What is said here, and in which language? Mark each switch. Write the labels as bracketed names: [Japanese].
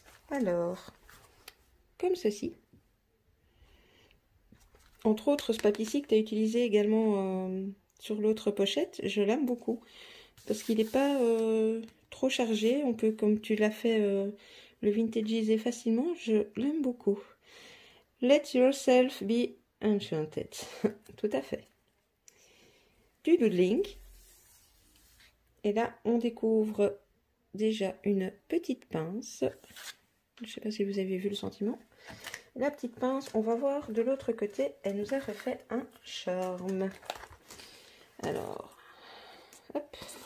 [French] Alors, comme ceci. Entre autres, ce papier-ci que tu as utilisé également sur l'autre pochette, je l'aime beaucoup parce qu'il n'est pas trop chargé. On peut, comme tu l'as fait, le vintageiser facilement. Je l'aime beaucoup. [English] Let yourself be enchanted. [French] Tout à fait. Du doodling. Et là, on découvre déjà une petite pince. Je ne sais pas si vous avez vu le sentiment. La petite pince, on va voir de l'autre côté, elle nous a refait un charme. Alors, hop.